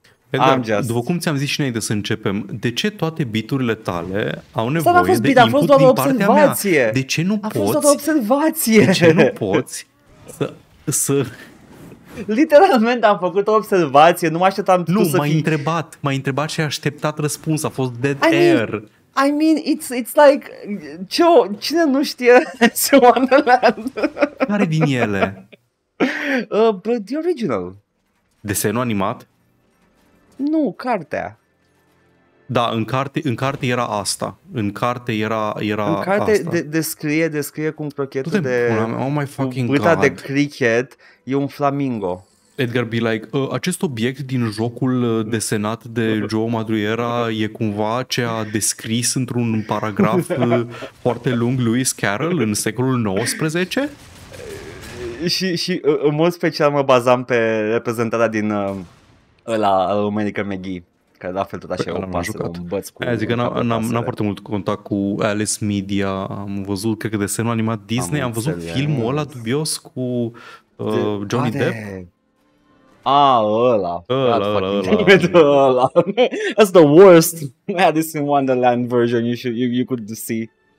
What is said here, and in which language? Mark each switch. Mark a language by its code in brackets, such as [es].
[ro] Edgar, după cum ți-am zis și înainte să începem, de ce toate beat-urile tale au nevoie de input din partea mea? A fost doar o observație. De ce nu poți? A fost doar o observație. De ce nu poți să... Literalmente am făcut o observație, nu mă așteptam nu, tu să fii... Nu, m-ai întrebat și ai așteptat răspuns, a fost dead air. [en] I mean, it's like, [ro] cine nu știe ce Wonderland? Care din ele? [en] But the original. [ro] Desenul animat? Nu, cartea. Da, în carte era asta. În carte era în carte asta. Descrie cum crochetul de [en] oh my fucking [ro] uita [en] God. [ro] De cricket e un flamingo. Edgar, [en] be like, [ro] acest obiect din jocul desenat de Joe Madureira e cumva ce a descris într-un paragraf foarte lung Lewis Carroll în secolul 19? Și în mod special mă bazam pe reprezentarea din ăla, American McGee, care la fel tot așa e o pasă, un băț cu... Aia zic că n-am foarte mult contact cu Alice Media, am văzut, cred că desenul animat Disney, am văzut filmul ăla dubios cu Johnny Depp. Ăla. [en] That's the worst Alice in Wonderland version you could see.